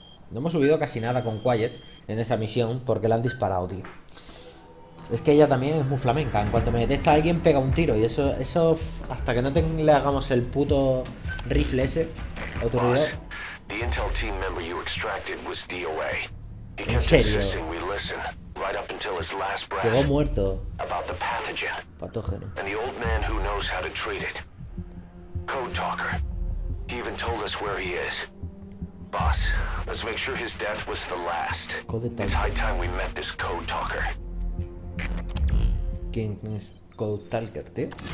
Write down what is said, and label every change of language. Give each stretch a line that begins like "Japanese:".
Spanish: No hemos subido casi nada con Quiet en esa misión porque la han disparado, tío. Es que ella también es muy flamenca. En cuanto me detecta alguien, pega un tiro. Y eso hasta que no le hagamos el puto rifle ese, autoridad.
English: The intel team member you extracted was DOA. He kept insisting we listen right up until his last breath.
Spanish: Quedó muerto.
English: About the pathogen.
Spanish: Patógeno.
English: And the old man who knows how to treat it. Code talker. He even told us where he is. Boss, let's make sure his death was the last. Code talker. It's high time we met this code talker.
Spanish: ¿Quién es Code Talker, tío?